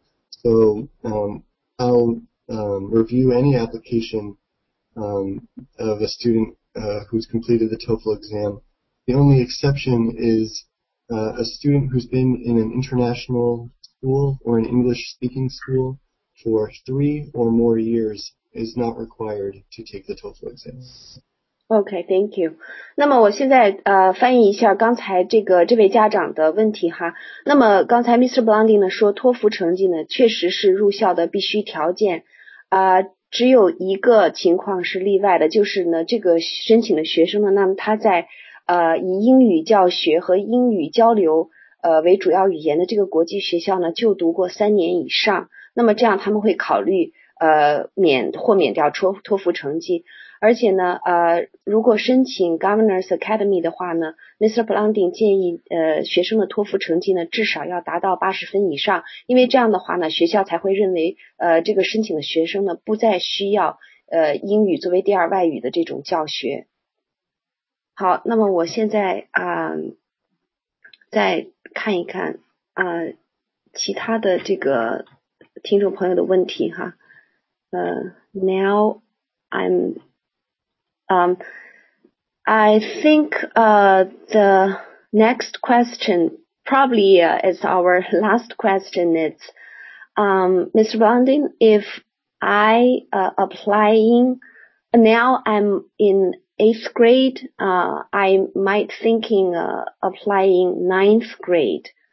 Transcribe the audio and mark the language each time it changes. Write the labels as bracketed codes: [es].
[en] So I'll review any application of a student who's completed the TOEFL exam. The only exception is a student who's been in an international school or an English-speaking school for 3 or more years is not required to take the TOEFL exam. Okay, thank you. [zh] 那么我现在翻译一下刚才这位家长的问题哈。那么刚才 Mr. Blondie 呢说托福成绩呢确实是入校的必须条件。只有一个情况是例外的，就是呢这个申请的学生呢，那么他在以英语教学和英语交流为主要语言的这个国际学校呢就读过3年以上，那么这样他们会考虑豁免掉托福成绩。而且呢如果申请 Governor's Academy 的话呢， Mr. Blondie 建议学生的托福成绩呢至少要达到80分以上，因为这样的话呢学校才会认为这个申请的学生呢不再需要英语作为第二外语的这种教学。好，那么我现在再看一看其他的这个听众朋友的问题哈。 [en] Now I'm I think the next question probably is our last question. It's Mr. Bonding, if I applying now I'm in eighth grade, I might thinking applying ninth grade.